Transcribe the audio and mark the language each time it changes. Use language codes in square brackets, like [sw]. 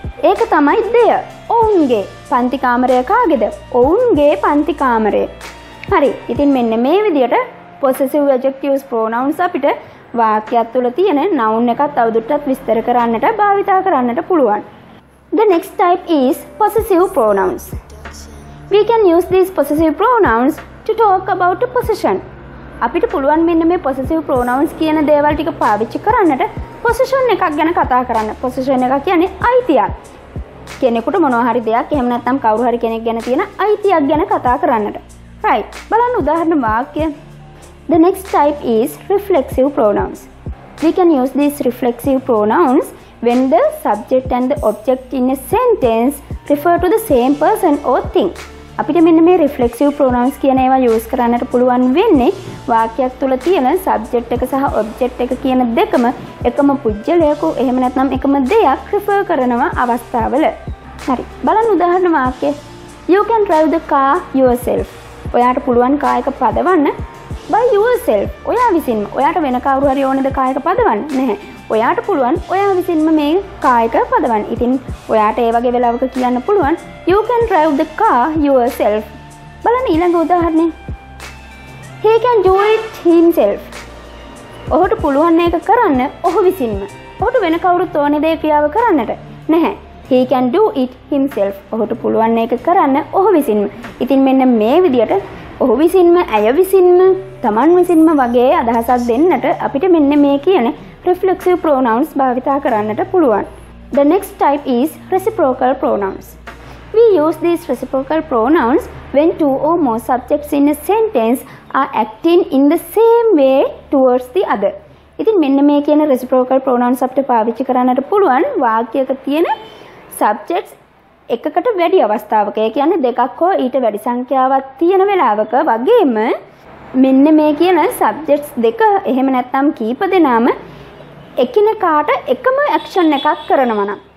[si] ඒක තමයි their. ඔවුන්ගේ පන්ති කාමරය කාගේද? ඔවුන්ගේ පන්ති කාමරය. හරි. ඉතින් මෙන්න මේ විදියට possessive adjectives pronouns අපිට වාක්‍යය තුළ තියෙන noun එකක් තවදුරටත් විස්තර කරන්නට භාවිත කරන්නට පුළුවන්. [en] The next type is possessive pronouns. We can use these possessive pronouns to talk about a position. [si] අපිට පුළුවන් මෙන්න මේ possessive pronouns කියන දේවල් ටික පාවිච්චි කරන්නට position එකක් ගැන කතා කරන්න. position එක කියන්නේ අයිතියක්. කෙනෙකුට මොනවා හරි දෙයක් එහෙම නැත්නම් කවුරු හරි කෙනෙක් ගැන තියෙන අයිතියක් ගැන කතා කරන්නට. [en] right. [si] බලන්න උදාහරණ වාක්‍ය. [en] The next type is reflexive pronouns. We can use these reflexive pronouns when the subject and the object in a sentence refer to the same person or thing. [si] අපිට මෙන්න මේ reflexive pronouns කියන ඒවා use කරන්නට පුළුවන් වෙන්නේ වාක්‍යයක් තුළ තියෙන subject එක සහ object එක කියන දෙකම එකම පුජ්‍යලයක එහෙම නැත්නම් එකම දෙයක් refer කරනවා අවස්ථාවල. හරි. බලන්න උදාහරණ වාක්‍ය. [en] You can drive the car yourself. [si] ඔයාට පුළුවන් කායක පදවන්න [en] by yourself [si] ඔයා විසින්ම ඔයාට වෙන කවුරු හරි ඕනේද කායක පදවන්න නැහැ ඔයාට පුළුවන් ඔයා විසින්ම මේ කායක පදවන්න ඉතින් ඔයාට ඒ වගේ වෙලාවක කියන්න පුළුවන් [en] you can drive the car yourself [si] බලන්න ඊළඟ උදාහරණේ [en] he can do it himself [si] ඔහුට පුළුවන් මේක කරන්න ඔහු විසින්ම ඔහුට වෙන කවුරුත් ඕනේ දේ ක්‍රියාව කරන්නට නැහැ [en] He can do it himself. [si] ඔහුට පුළුවන් මේක කරන්න ඔහු විසින්ම. ඉතින් මෙන්න මේ විදියට ඔහු විසින්ම, ඇය විසින්ම, තමන් විසින්ම වගේ අදහසක් දෙන්නට අපිට මෙන්න මේ කියන reflexive pronouns භාවිතා කරන්නට පුළුවන්. [en] The next type is reciprocal pronouns. We use these reciprocal pronouns when two or more subjects in a sentence are acting in the same way towards the other. [si] ඉතින් මෙන්න මේ කියන reciprocal pronouns අපිට පාවිච්චි කරන්නට පුළුවන් වාක්‍යයක තියෙන subjects එකකට වැඩි අවස්ථාවක ඒ කියන්නේ දෙකක් හෝ ඊට වැඩි සංඛ්‍යාවක් තියෙන වෙලාවක වගේම මෙන්න මේ කියන subjects දෙක එහෙම නැත්නම් කීප දෙනාම එකිනෙකාට එකම action එකක් කරනවා නම්